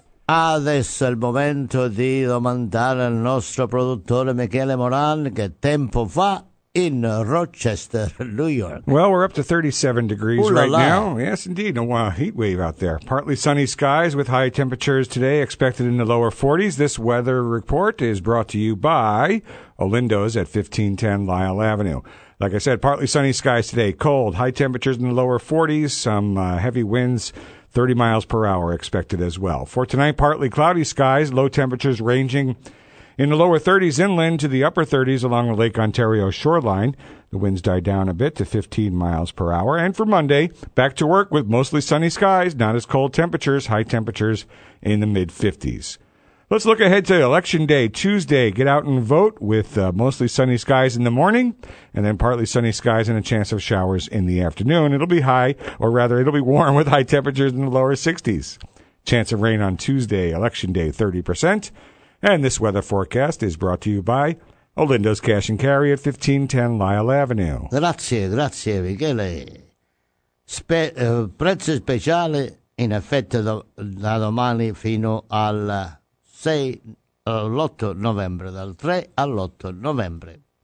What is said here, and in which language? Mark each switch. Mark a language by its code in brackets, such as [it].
[it] Adesso è il momento di domandare al nostro produttore Michele Moran che tempo fa in Rochester, New York. [en] Well, we're up to 37 degrees right now. Yes, indeed. A heat wave out there. Partly sunny skies with high temperatures today expected in the lower 40s. This weather report is brought to you by Olindo's at 1510 Lyle Avenue. Like I said, partly sunny skies today. Cold, high temperatures in the lower 40s. Some heavy winds. 30 miles per hour expected as well. For tonight, partly cloudy skies, low temperatures ranging in the lower 30s inland to the upper 30s along the Lake Ontario shoreline. The winds die down a bit to 15 miles per hour. And for Monday, back to work with mostly sunny skies, not as cold temperatures, high temperatures in the mid-50s. Let's look ahead to Election Day, Tuesday. Get out and vote with mostly sunny skies in the morning and then partly sunny skies and a chance of showers in the afternoon. It'll be warm with high temperatures in the lower 60s. Chance of rain on Tuesday, Election Day, 30%. And this weather forecast is brought to you by Olindo's Cash and Carry at 1510 Lyle Avenue. [it] Grazie, Michele. Prezzo speciale in effetto da domani fino al 6 all'8 novembre, dal 3 all'8 novembre.